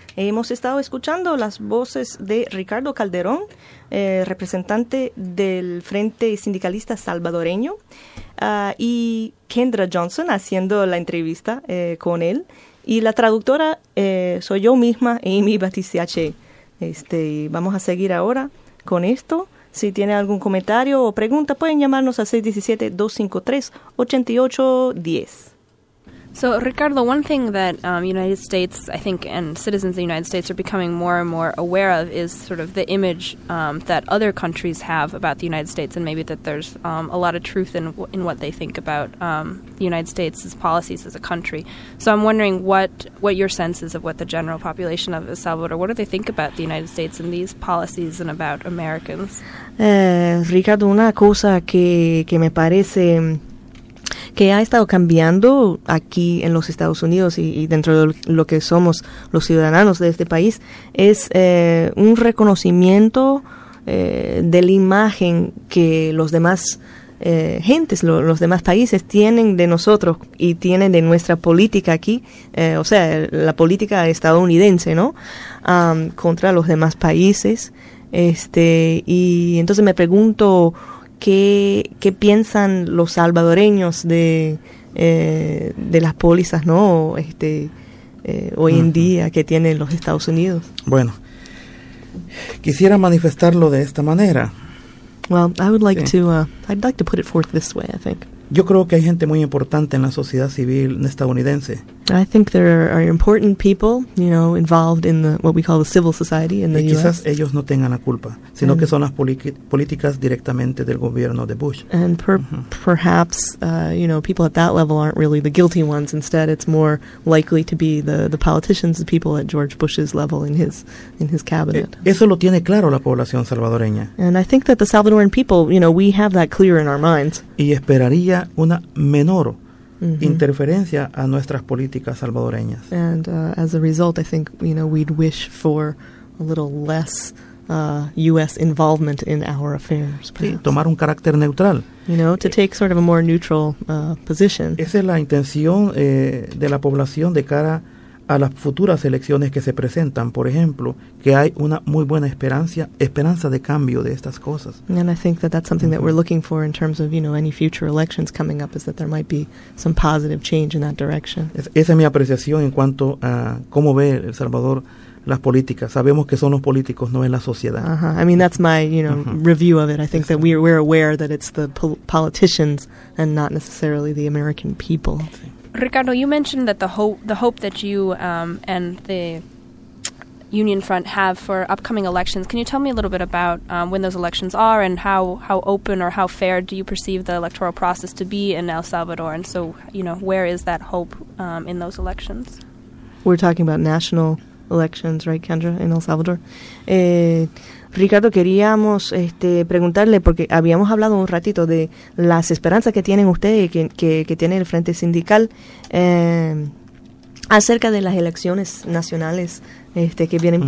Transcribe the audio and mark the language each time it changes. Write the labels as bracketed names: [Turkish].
[Spanish] Hemos estado escuchando las voces de Ricardo Calderón, representante del Frente Sindicalista Salvadoreño, y Kendra Johnson haciendo la entrevista con él. Y la traductora soy yo misma, Amy Batistiache. Vamos a seguir ahora con esto. Si tiene algún comentario o pregunta, pueden llamarnos al 617-253-8810. [English] So, Ricardo, one thing that United States, I think, and citizens of the United States are becoming more and more aware of is sort of the image that other countries have about the United States, and maybe that there's a lot of truth in what they think about the United States' policies as a country. So I'm wondering what your sense is of what the general population of El Salvador, what do they think about the United States and these policies and about Americans? [Spanish] Ricardo, una cosa que me parece que ha estado cambiando aquí en los Estados Unidos y dentro de lo que somos los ciudadanos de este país, es un reconocimiento de la imagen que los demás gentes, los demás países tienen de nosotros y tienen de nuestra política aquí, o sea, la política estadounidense, ¿no?, contra los demás países. Y entonces me pregunto, ¿Qué piensan los salvadoreños de las pólizas, ¿no?, hoy uh-huh. en día que tienen los Estados Unidos? Bueno, quisiera manifestarlo de esta manera. [English] Well, I would like sí. to I'd like to put it forth this way, I think. [Spanish] Yo creo que hay gente muy importante en la sociedad civil estadounidense. [English] I think there are important people, you know, involved in the what we call the civil society in the [Spanish] y quizás [English] U.S. [Spanish] quizás ellos no tengan la culpa, sino and que son las políticas directamente del gobierno de Bush. [English] And perhaps, you know, people at that level aren't really the guilty ones. Instead, it's more likely to be the politicians, the people at George Bush's level in his cabinet. [Spanish] Eso lo tiene claro la población salvadoreña. [English] And I think that the Salvadoran people, you know, we have that clear in our minds. [Spanish] Y esperaría una menor Mm-hmm. interferencia a nuestras políticas salvadoreñas. [English] And as a result, I think, you know, we'd wish for a little less U.S. involvement in our affairs. Perhaps. [Spanish] Sí, tomar un carácter neutral. [English] You know, to take sort of a more neutral position. [Spanish] Esa es la intención de la población de cara a las futuras elecciones que se presentan, por ejemplo, que hay una muy buena esperanza de cambio de estas cosas. [English] And I think that that's something mm-hmm. that we're looking for in terms of, you know, any future elections coming up, is that there might be some positive change in that direction. [Spanish] Esa es mi apreciación en cuanto a cómo ve El Salvador las políticas. Sabemos que son los políticos, no es la sociedad. [English] Uh-huh. I mean, that's my, you know, mm-hmm. review of it. I think that we're aware that it's the politicians and not necessarily the American people. [Spanish] Sí. [English] Ricardo, you mentioned that the hope that you and the Union Front have for upcoming elections. Can you tell me a little bit about when those elections are and how open or how fair do you perceive the electoral process to be in El Salvador? And so, you know, where is that hope in those elections? We're talking about national elections, right, Kendra, in El Salvador? [Spanish] Ricardo, queríamos preguntarle, porque habíamos hablado un ratito de las esperanzas que tienen ustedes, que tiene el Frente Sindical, acerca de las elecciones nacionales que vienen uh-huh.